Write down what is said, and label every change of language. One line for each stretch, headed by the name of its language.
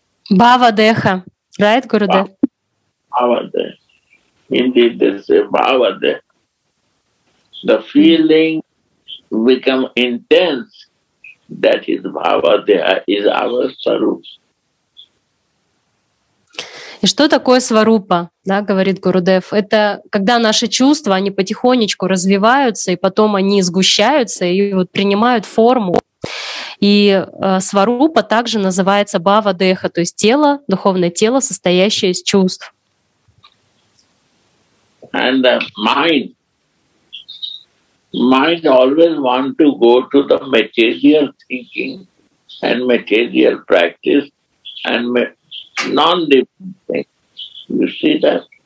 English: Bhava Deha, right, Gurudev? Bhava Deha. Indeed, they say Bhava Deha. The feeling become intense, that is Bhava Deha, is our Swarup.
Russian: И что такое сварупа, да, говорит Гурудев? Это когда наши чувства, они потихонечку развиваются, и потом они сгущаются и вот принимают форму. И сварупа также называется бхава-деха, то есть тело, духовное тело, состоящее из чувств.
English: And the mind always want to go to the material thinking and material practice and non-different things. You see that?